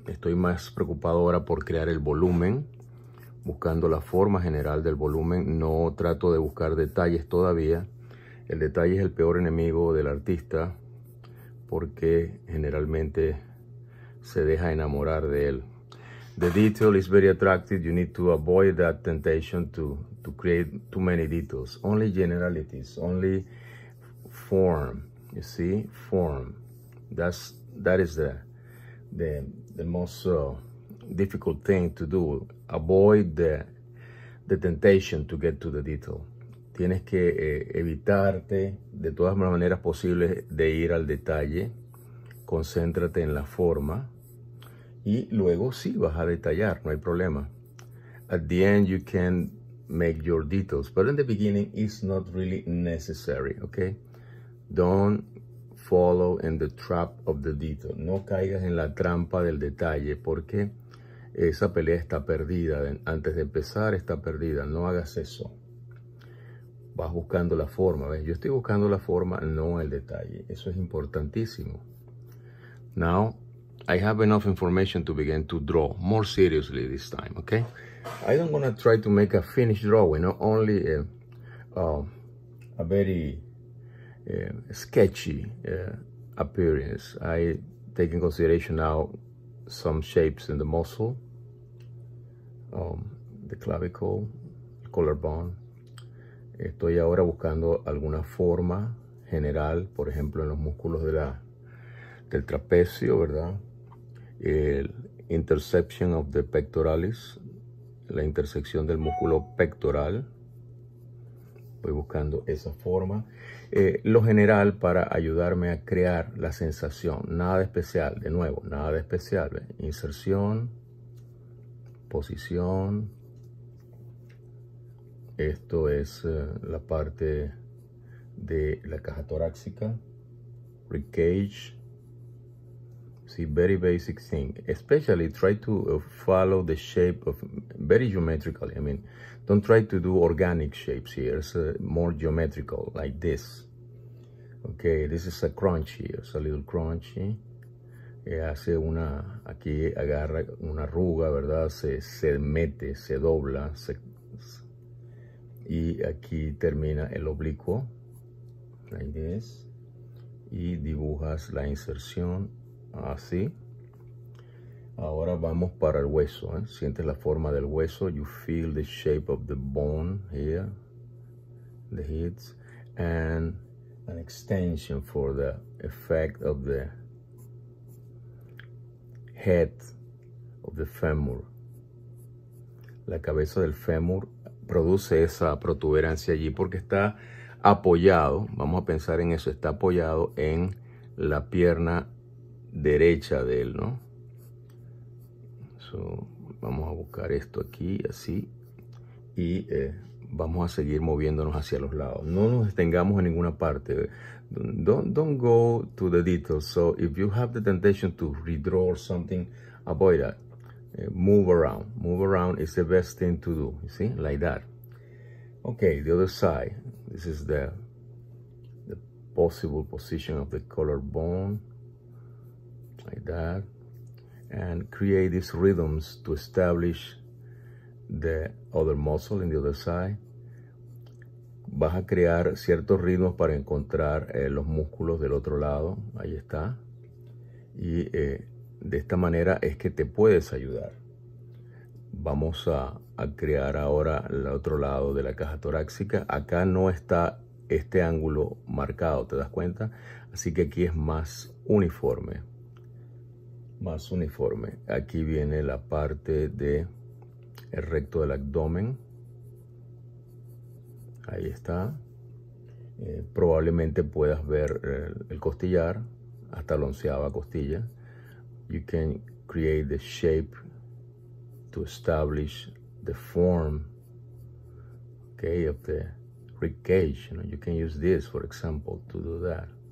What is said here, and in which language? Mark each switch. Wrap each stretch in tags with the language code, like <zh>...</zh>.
<es>Estoy más preocupado ahora por crear el volumen, buscando la forma general del volumen. No trato de buscar detalles todavía. El detalle es el peor enemigo del artista, porque generalmente se deja enamorar de él.</es> <en>The detail is very attractive. You need to avoid that temptation to create too many details. Only generalities. Only form. You see? Form. That is the most difficult thing to do. Avoid the temptation to get to the detail.</en> <es>Tienes que evitarte de todas las maneras posibles de ir al detalle. Concéntrate en la forma. Y luego sí vas a detallar, no hay problema.</es> <en>At the end you can make your details, but in the beginning it's not really necessary, okay? Don't follow in the trap of the detail.</en> <es>No caigas en la trampa del detalle, porque esa pelea está perdida. Antes de empezar está perdida. No hagas eso. Vas buscando la forma, ¿ves? Yo estoy buscando la forma, no el detalle. Eso es importantísimo.</es> <en>Now I have enough information to begin to draw more seriously this time, okay? I don't want to try to make a finished drawing, not only a very sketchy appearance. I take in consideration now some shapes in the muscle, the clavicle, collarbone.</en> <es>Estoy ahora buscando alguna forma general, por ejemplo, en los músculos de del trapecio, ¿verdad? El</es> <en>interception of the pectoralis,</en> <es>la intersección del músculo pectoral. Voy buscando esa forma. Lo general para ayudarme a crear la sensación. Nada de especial, de nuevo, nada de especial. Inserción, posición. Esto es la parte de la caja torácica.</es> <en>Ribcage. See, very basic thing. Especially try to follow the shape of, very geometrically. I mean, don't try to do organic shapes here. It's more geometrical, like this. Okay, this is a crunch here. It's a little crunchy.</en> <es>Hace una, aquí agarra una arruga, ¿verdad? Se mete, se dobla. Y aquí termina el oblicuo,</es> <en>like this.</en> <es>Y dibujas la inserción. Así. Ahora vamos para el hueso. Sientes la forma del hueso.</es> <en>You feel the shape of the bone here. The hips. And an extension for the effect of the head of the femur.</en> <es>La cabeza del fémur produce esa protuberancia allí porque está apoyado. Vamos a pensar en eso. Está apoyado en la pierna derecha de él, ¿no? So, vamos a buscar esto aquí, así. Y vamos a seguir moviéndonos hacia los lados. No nos detengamos en ninguna parte.</es> <en>Don't go to the details. So, if you have the temptation to redraw or something, avoid that. Move around. Move around is the best thing to do. You see? Like that. Okay, the other side. This is the possible position of the collarbone. Like that, and create these rhythms to establish the other muscle in the other side.</en> <es>Vas a crear ciertos ritmos para encontrar los músculos del otro lado. Ahí está. Y de esta manera es que te puedes ayudar. Vamos a crear ahora el otro lado de la caja torácica. Acá no está este ángulo marcado, ¿te das cuenta? Así que aquí es más uniforme. Más uniforme. Aquí viene la parte de el recto del abdomen. Ahí está. Probablemente puedas ver el costillar, hasta la onceava costilla.</es> <en>You can create the shape to establish the form, okay, of the rib cage. You know, you can use this, for example, to do that.</en>